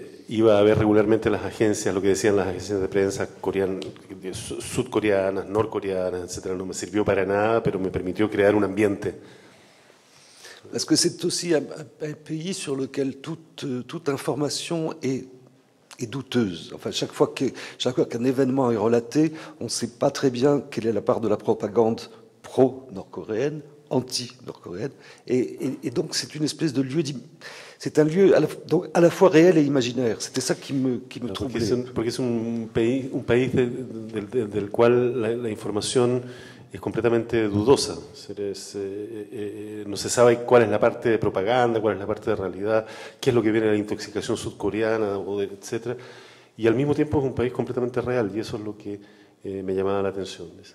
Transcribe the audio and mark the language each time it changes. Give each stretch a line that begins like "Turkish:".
Spanish: Iba a ver regularmente las agencias, lo que decían las agencias de prensa coreanas, sudcoreanas, norcoreanas, etcétera. No me sirvió para nada, pero me permitió crear un ambiente.
French: Parce que c'est aussi un pays sur lequel toute information est douteuse. Enfin, chaque fois qu'un événement est relaté, on ne sait pas très bien quelle est la part de la propagande pro-nord-coréenne, anti-nord-coréenne. Et donc, c'est une espèce de lieu. C'est un lieu à la fois réel et imaginaire. C'était ça qui me troublait. Parce que c'est un pays dans lequel la information.
Spanish: Es completamente dudosa. No se sabe cuál es la parte de propaganda, cuál es la parte de realidad, qué es lo que viene de la intoxicación sudcoreana, etc. Y al mismo tiempo es un país completamente real, y eso es lo que me llamaba la atención.